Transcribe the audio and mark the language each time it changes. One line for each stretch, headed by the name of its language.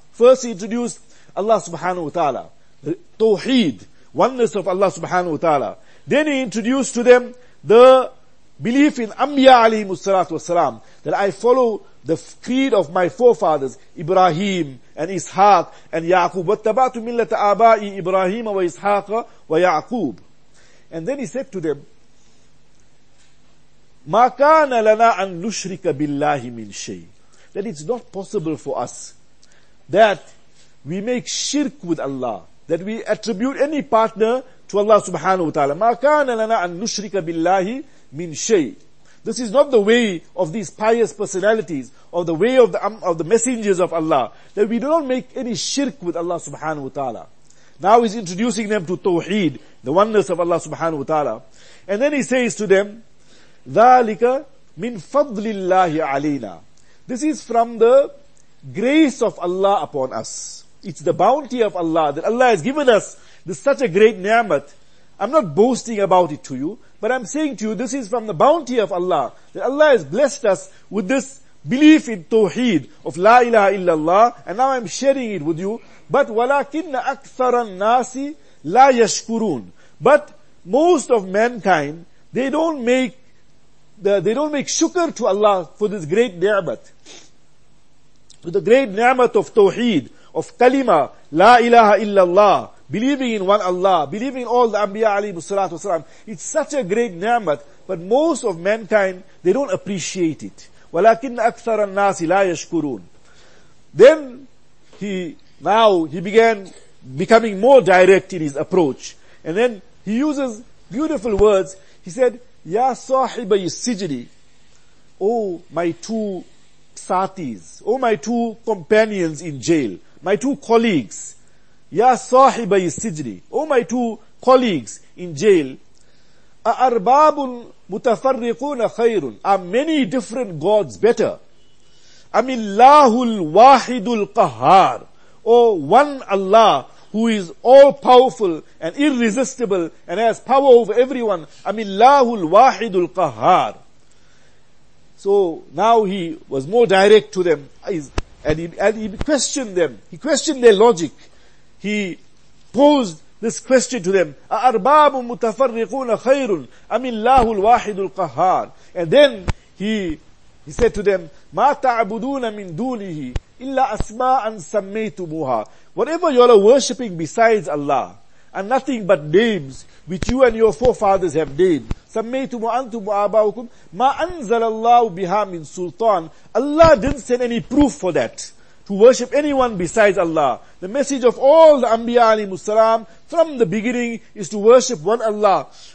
English: First he introduced Allah subhanahu wa ta'ala. Tawheed, oneness of Allah subhanahu wa ta'ala. Then he introduced to them the belief in Anbiya alayhi salatu wasalam. That I follow the creed of my forefathers, Ibrahim, and Ishaq, and Yaqub. وَاتَّبَعْتُ مِلَّةَ آبَائِي إِبْرَاهِيمَ وَإِسْحَاقَ وَيَعْقُوبَ. And then he said to them,
Arabic: مَا كَانَ لَنَا أَن نُشْرِكَ بِاللَّهِ مِنْ شَيْءٍ.
English: That it's not possible for us that we make shirk with Allah, that we attribute any partner to Allah subhanahu wa ta'ala.
Arabic: مَا كَانَ لَنَا أَن نُشْرِكَ بِاللَّهِ مِنْ شَيْءٍ.
English: This is not the way of these pious personalities, or the way of the messengers of Allah, that we do not make any shirk with Allah subhanahu wa ta'ala. Now he's introducing them to Tawheed, the oneness of Allah subhanahu wa ta'ala. And then he says to them,
Arabic: ذَلِكَ مِنْ فَضْلِ اللَّهِ عَلَيْنَا.
English: This is from the grace of Allah upon us. It's the bounty of Allah, that Allah has given us this such a great ni'mat. I'm not boasting about it to you, but I'm saying to you, this is from the bounty of Allah, that Allah has blessed us with this belief in Tawheed of La ilaha illallah, and now I'm sharing it with you. But
Arabic: وَلَكِنَّ أَكْثَرَ النَّاسِ لَا يَشْكُرُونَ.
English: But most of mankind, they don't make shukr to Allah for this great ni'mat. For the great ni'mat of Tawheed, of Kalima, La ilaha illallah, believing in one Allah, believing in all the Anbiya alayhi salatu wasalam. It's such a great ni'mat, but most of mankind, they don't appreciate it.
Arabic: وَلَكِنَّ أَكْثَرَ النَّاسِ لَا يَشْكُرُونَ.
English: Then he began becoming more direct in his approach. And then he uses beautiful words. He said,
Arabic: يَا صَاحِبَ السِّجْنِ.
English: Oh, my two satis. Oh, my two companions in jail. My two colleagues.
Arabic: يَا صَاحِبَ السِّجْنِ.
English: Oh, my two colleagues in jail.
Arabic: أَأَرْبَابٌ مُتَفَرِّقُونَ خَيْرٌ.
English: Are many different gods better?
Arabic: أَمِ اللَّهُ الْوَاحِدُ الْقَهَّارُ.
English: Oh, one Allah who is all-powerful and irresistible and has power over everyone.
Arabic: أَمِ اللَّهُ الْوَاحِدُ الْقَهَّارُ.
English: So now he was more direct to them, and he questioned them. He questioned their logic. He posed this question to them,
Arabic: أَأَرْبَابٌ مُتَفَرِّقُونَ خَيْرٌ أَمِ اللَّهُ الْوَاحِدُ الْقَهَّارُ.
English: And then he said to them,
Arabic: مَا تَعْبُدُونَ مِن دُونِهِ إِلَّا أَسْمَاءً سَمَّيْتُمُهَا.
English: Whatever you are worshipping besides Allah, and nothing but names which you and your forefathers have named,
Arabic: سَمَّيْتُمُ أَنْتُمُ أَبَاؤُكُمْ مَا أَنزَلَ اللَّهُ بِهَا مِن سُلْطَانٍ.
English: Allah didn't send any proof for that, to worship anyone besides Allah. The message of all the Anbiya alayhimus salam from the beginning is to worship one Allah.